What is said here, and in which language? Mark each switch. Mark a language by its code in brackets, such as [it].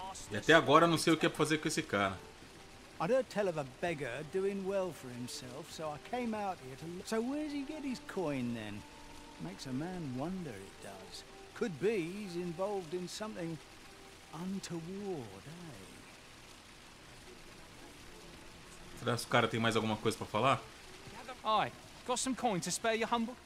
[pt] E até agora não sei o que é fazer com esse cara. [en] I don't tell of a beggar doing well for himself, so I came out here to look. So where does he get his coin then? Makes a man wonder, it does. Could be he's involved in something untoward, eh? [pt] Será que o cara tem mais alguma coisa pra falar? [en] Ai, got some coin to spare you, humble?